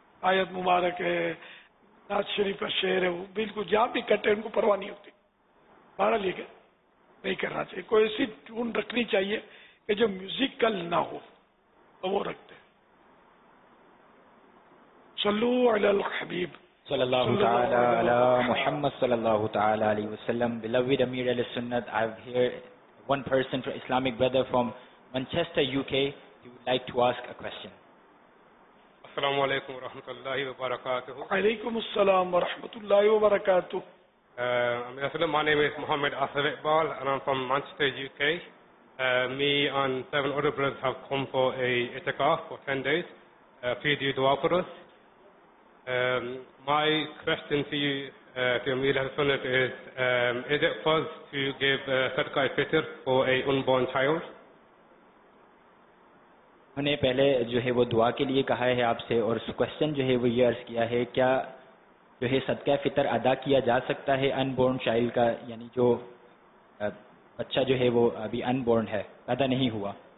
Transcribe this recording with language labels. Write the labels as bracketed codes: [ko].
[hi] आयत मुबारक है नाज शरीफ का शेर है वो बिल्कुल जहां भी कटे उनको परवाह नहीं होती बड़ा लेकर नहीं करना चाहिए कोई ऐसी टून रखनी चाहिए कि जो म्यूजिकल ना हो तो वो रखते हैं [ar] صلوا على الحبيب صلى الله تعالى على محمد صلى الله تعالى عليه وسلم [en] beloved Amir al-Sunnat I've heard one person from Islamic brother from Manchester UK he would like to ask a question [ar] السلام عليكم ورحمه الله وبركاته وعليكم السلام ورحمه الله وبركاته [en] Amir al-Sunnat my name is Muhammad Asif Iqbal and I'm from Manchester UK me and seven other brothers have come for a itikaf for 10 days please do dua for us my question to you, to Amir al-Sunnat, is it farz to give sadaqah al-fitr for a unborn child? [hi] हमने पहले जो है वो दुआ के लिए कहा है आपसे और क्वेश्चन जो है वो ये अर्ज किया है क्या जो है सदका फितर अदा किया जा सकता है [en] unborn child [hi] का यानी जो बच्चा जो है वो अभी अनबोर्न है पैदा नहीं हुआ